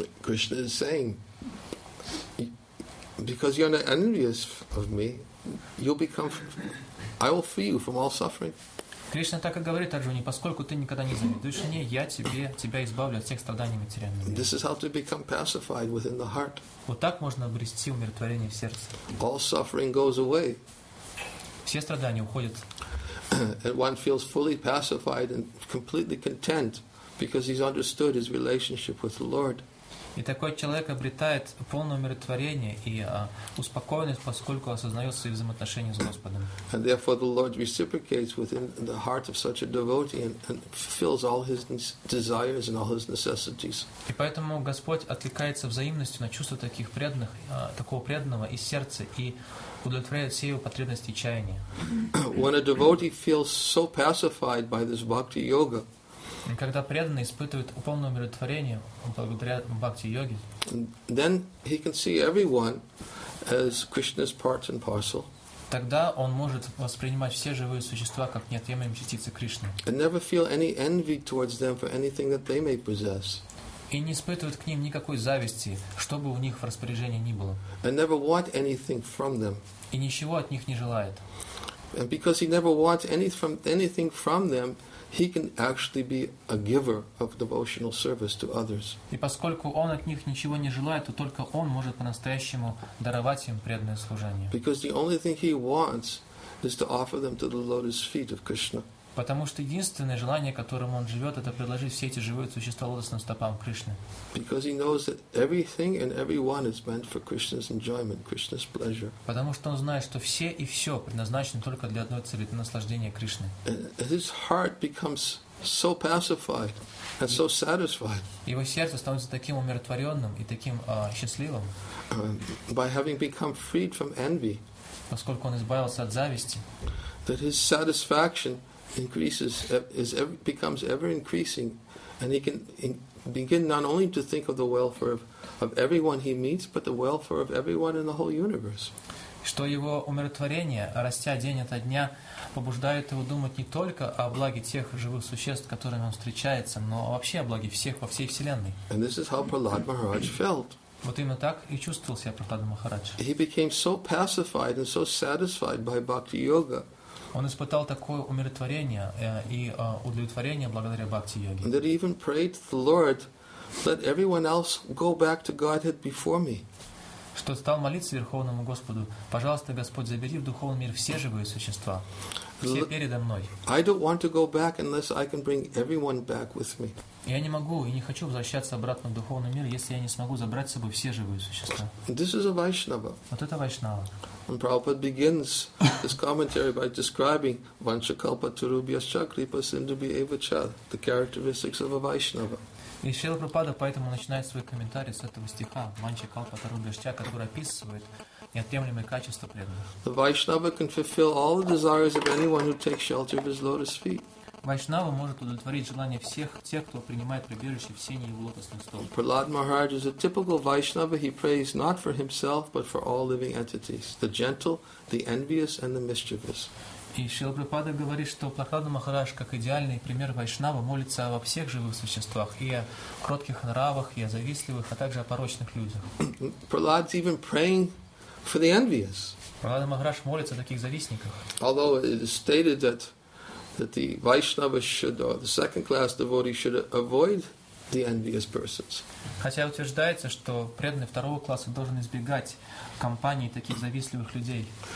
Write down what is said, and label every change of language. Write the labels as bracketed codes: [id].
[en] Krishna is saying, because you're not envious of me, you'll become I will free you from all suffering. [ru] Кришна так и говорит Арджуне, поскольку ты никогда не завидуешь мне, я тебя избавлю от всех страданий материальных. [en] This is how to become pacified within the heart. [ru] Вот так можно обрести умиротворение в сердце. [en] All suffering goes away. [ru] Все страдания уходят. [en] And one feels fully pacified and completely content because he's understood his relationship with the Lord. [ru] И такой человек обретает полное умиротворение и успокоенность, поскольку осознает свои взаимоотношения с Господом. [en] And therefore the Lord reciprocates within the heart of such a devotee and fills all his desires and all his necessities. [ru] И поэтому Господь откликается взаимностью на чувства таких преданных, такого преданного из сердца и удовлетворяет все его потребности и чаяния. [en] When a devotee feels so pacified by this bhakti yoga, [ru] когда преданный испытывает полное умиротворение благодаря бхакти-йоге, [en] then he can see everyone as Krishna's part and parcel. [ru] Тогда он может воспринимать все живые существа как неотъемлемые частицы Кришны. [en] And never feel any envy towards them for anything that they may possess. [ru] И не испытывает к ним никакой зависти, что бы у них в распоряжении ни было. [en] And never want anything from them. [ru] И ничего от них не желает. [en] And because he never wants anything from them, he can actually be a giver of devotional service to others. [ru] И поскольку он от них ничего не желает, то только он может по-настоящему даровать им преданное служение. [en] Because the only thing he wants is to offer them to the lotus feet of Krishna. [ru] Потому что единственное желание, которым он живет, это предложить все эти живые существа лотосным стопам Кришны. [en] Because he knows that everything and everyone is meant for Krishna's enjoyment, Krishna's pleasure. [ru] Потому что он знает, что все и все предназначено только для одной цели — для наслаждения Кришны. [en] And his heart becomes so pacified and so satisfied. [ru] Его сердце становится таким умиротворенным и таким счастливым. [en] By having become freed from envy. [ru] Поскольку он избавился от зависти. [en] That his satisfaction increases, becomes ever increasing, and he can begin not only to think of the welfare of everyone he meets, but the welfare of everyone in the whole universe. [ru] Что его умиротворение, растя день ото дня, побуждает его думать не только о благе тех живых существ, с которыми он встречается, но вообще о благе всех во всей вселенной. [en] And this is how Prahlad Maharaj felt. [ru] Вот именно так и чувствовал себя Прахлад Махарадж. [en] He became so pacified and so satisfied by bhakti yoga. [ru] Он испытал такое умиротворение и удовлетворение благодаря бхакти-йоге. [en] And that he even prayed to the Lord, let everyone else go back to Godhead before me. [ru] Что стал молиться Верховному Господу: пожалуйста, Господь, забери в духовный мир все живые существа, все передо мной. [en] I don't want to go back unless I can bring everyone back with me. [ru] Я не могу и не хочу возвращаться обратно в духовный мир, если я не смогу забрать с собой все живые существа. [en] This is a Vaishnava. [ru] Вот это Вайшнава. [en] And Prabhupada begins his commentary by describing [sa] Vanchakalpa Turubhyascha Kripa Sindubhyeh Vacha, [en] the characteristics of a Vaishnava. [ru] И Шрила Прабхупада поэтому начинает свой комментарий с этого стиха [sa] Vanchakalpa Turubhyascha, [ru] который описывает неотъемлемые качества преданных. [en] The Vaishnava can fulfill all the desires of anyone who takes shelter of his lotus feet. [ru] Вайшнава может удовлетворить желания всех тех, кто принимает прибежище в сене его лотосных стоп. [en] Prahlad Maharaj is a typical Vaishnava. He prays not for himself, but for all living entities, the gentle, the envious, and the mischievous. [ru] И Шрила Прабхупада говорит, что Прахлада Махарадж, как идеальный пример Вайшнава, молится во всех живых существах, и о кротких нравах, и о завистливых, а также о порочных людях. [en] Prahlad is even praying for the envious. [ru] Прахлада Махарадж молится о таких завистниках. [en] Although it is stated that the Vaishnava should, or the second class devotee should avoid the envious persons. [ru] Хотя утверждается, что преданный второго класса должен избегать компании таких завистливых людей.